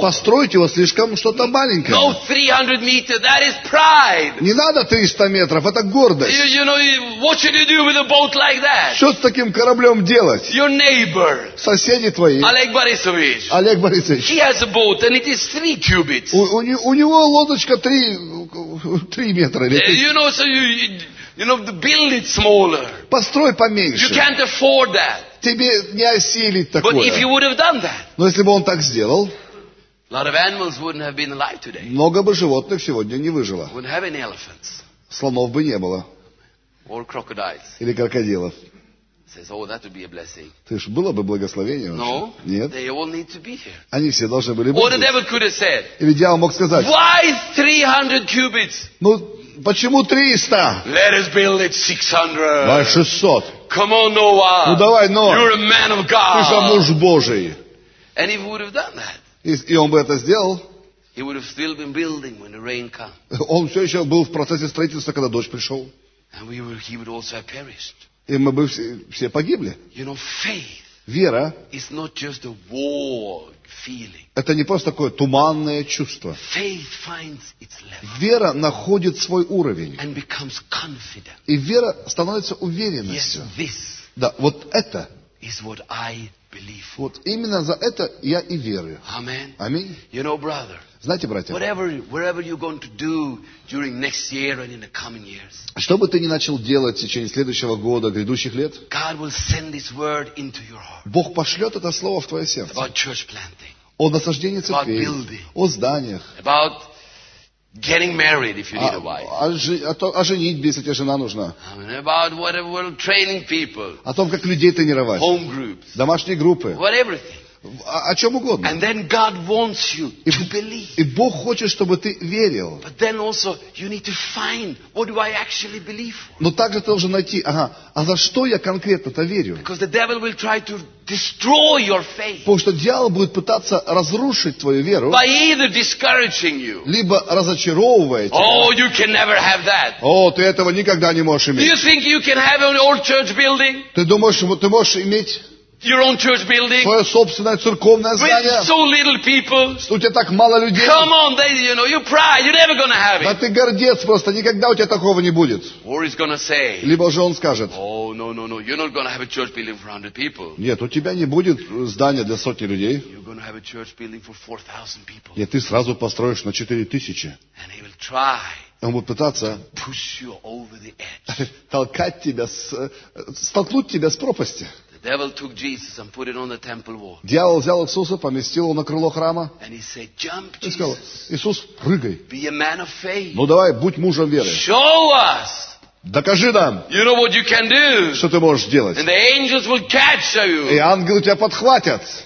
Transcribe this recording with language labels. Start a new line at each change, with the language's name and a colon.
Russian: Построить его слишком что-то маленькое.
English: No, 300 meters, that is pride.
Russian: Не надо 300 метров, это гордость.
English: You know, what should you do with a boat like that?
Russian: Что с таким кораблем делать?
English: Your neighbor,
Russian: соседи твои. Олег Борисович.
English: He has a boat and it is 3 cubits.
Russian: У него лодочка 3 метра.
English: You know, so you know, build it smaller.
Russian: Построй поменьше.
English: You can't afford that.
Russian: Тебе не осилить такое.
English: But if he would have done that,
Russian: но если бы он так сделал,
English: a lot of animals wouldn't have been alive today.
Russian: Много бы животных сегодня не выжило.
English: Wouldn't have any elephants.
Russian: Слонов бы не было.
English: Or crocodiles.
Russian: Или крокодилов.
English: Says, oh, that would be a blessing.
Russian: Ты ж было бы благословение
English: no,
Russian: вообще? Нет.
English: They all need to be here.
Russian: Они все должны были быть.
English: What the devil could have said?
Russian: Или дьявол мог сказать,
English: why 300 cubits?
Russian: Ну, почему 300?
English: Let us build it 600.
Russian: Давай 600.
English: Come on, Noah.
Russian: Ну давай, Ноа.
English: You're a man of God.
Russian: Ты же муж Божий.
English: And he would have done that.
Russian: И он бы это сделал.
English: He would have still been building when the rain came.
Russian: Он все еще был в процессе строительства, когда дождь пришел.
English: And he would also have perished.
Russian: И мы бы все погибли.
English: You know, faith.
Russian: Вера.
English: Is not just a warm feeling.
Russian: Это не просто такое туманное чувство.
English: Faith finds its level.
Russian: Вера находит свой уровень.
English: And becomes confident.
Russian: И вера становится уверенностью.
English: Yes, this.
Russian: Да, вот это.
English: Is what I believe.
Russian: Вот именно за это я и верю.
English: Amen.
Russian: Аминь.
English: You know, brother.
Russian: Знаете, братья.
English: Whatever, wherever you're going to do during next year and in the coming years.
Russian: Что бы ты ни начал делать в течение следующего года, грядущих лет.
English: God will send this word into your heart.
Russian: Бог пошлет это слово в твое сердце.
English: About church planting.
Russian: О насаждении церквей, о зданиях,
English: about getting married if you need a wife.
Russian: О женитьбе, если тебе жена нужна.
English: About whatever, training people.
Russian: О том, как людей тренировать.
English: Home groups.
Russian: Домашние группы.
English: What everything.
Russian: О чем угодно.
English: And then God wants you to believe.
Russian: И Бог хочет, чтобы ты верил.
English: But then also you need to find what do I actually believe for.
Russian: Но также ты должен найти, ага, а за что я конкретно-то верю?
English: Because the devil will try to destroy your faith.
Russian: Потому что дьявол будет пытаться разрушить твою веру.
English: By either discouraging you.
Russian: Либо разочаровывая тебя.
English: Oh, you can never have that.
Russian: О, ты этого никогда не можешь иметь.
English: Do you think you can have an old church building?
Russian: Ты думаешь, ты можешь иметь
English: your own church building.
Russian: Твое собственное церковное здание.
English: With so little people.
Russian: Что у тебя так мало людей.
English: Come on, they, you know, you pray, you're never gonna have it.
Russian: Да ты гордец просто, никогда у тебя такого не будет.
English: Or he's gonna say.
Russian: Либо же он скажет.
English: Oh, no, you're not gonna have a church building for 100 people.
Russian: Нет, у тебя не будет здания для сотни людей.
English: You're gonna have a church building for 4,000 people.
Russian: Нет, ты сразу построишь на 4,000.
English: And he will try.
Russian: Он будет пытаться
English: push you over the edge.
Russian: Толкать тебя, столкнуть тебя с пропасти.
English: Devil took Jesus and put it on the temple wall.
Russian: Дьявол взял Иисуса, поместил его на крыло храма.
English: And he said, "Jump, Jesus."
Russian: И сказал: Иисус, прыгай.
English: Be a man of faith.
Russian: Ну давай, будь мужем веры.
English: Show us.
Russian: Докажи нам.
English: You know what you can do.
Russian: Что ты можешь сделать?
English: And the angels will catch you.
Russian: И ангелы тебя подхватят.